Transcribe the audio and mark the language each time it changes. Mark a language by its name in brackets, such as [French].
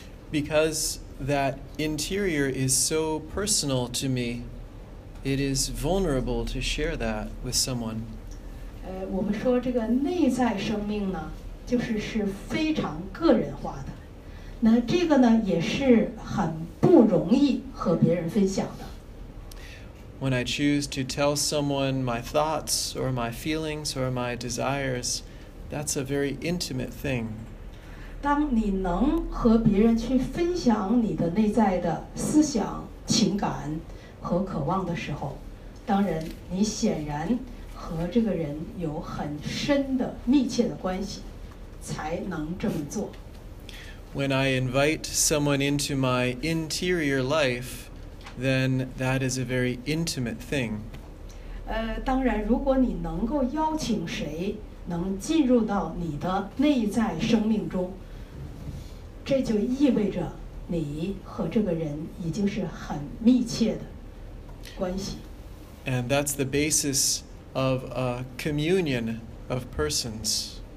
[English] Because that interior is so personal to me, it is vulnerable to share that with someone. [Chinese] 我们说这个内在生命呢，就是是非常个人化的，那这个呢也是很不容易和别人分享的。 [English] When I choose to tell someone my thoughts or my feelings or my desires, That's a very intimate thing. [Chinese] 当你能和别人去分享你的内在的思想、情感和渴望的时候，当然你显然和这个人有很深的、密切的关系，才能这么做。 [English] When I invite someone into my interior life, then that is a very intimate thing. [Chinese] 当然，如果你能够邀请谁能进入到你的内在生命中，这就意味着你和这个人已经是很密切的关系。 [English] And that's the basis of a communion of persons.